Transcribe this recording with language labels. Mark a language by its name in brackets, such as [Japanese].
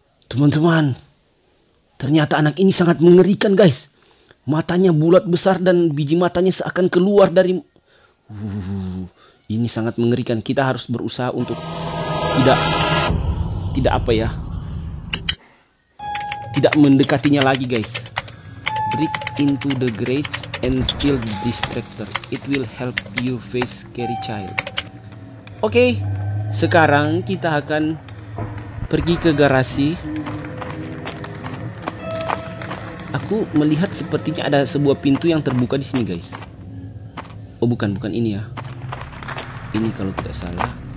[Indonesian] Teman-teman, ternyata anak ini sangat mengerikan, guys. Matanya bulat besar dan biji matanya seakan keluar dari... ini sangat mengerikan. Kita harus berusaha untuk tidak mendekatinya lagi, guys. [English] Break into the garage and steal the distractor. It will help you face scary child. [Indonesian] Oke, sekarang kita akan pergi ke garasi. Aku melihat sepertinya ada sebuah pintu yang terbuka di sini, guys. Oh, bukan ini ya. Ini kalau tidak salah.